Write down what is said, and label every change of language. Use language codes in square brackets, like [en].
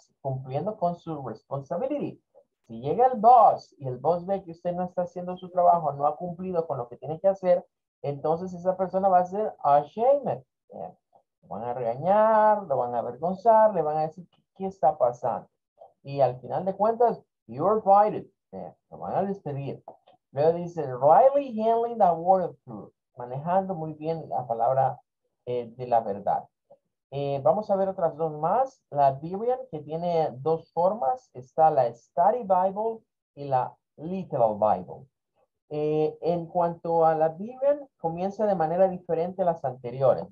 [es] Cumpliendo con su responsibility. Si llega el boss y el boss ve que usted no está haciendo su trabajo, no ha cumplido con lo que tiene que hacer, entonces esa persona va a ser ashamed. Lo van a regañar, lo van a avergonzar, le van a decir, ¿qué está pasando? Y al final de cuentas, [en] you're fired. [es] Lo van a despedir. Luego dice, [en] rightly handling the word of truth. [es] Manejando muy bien la palabra de la verdad. Vamos a ver otras dos más. La Biblia, que tiene dos formas. Está la Study Bible y la Literal Bible. En cuanto a la Biblia, comienza de manera diferente a las anteriores.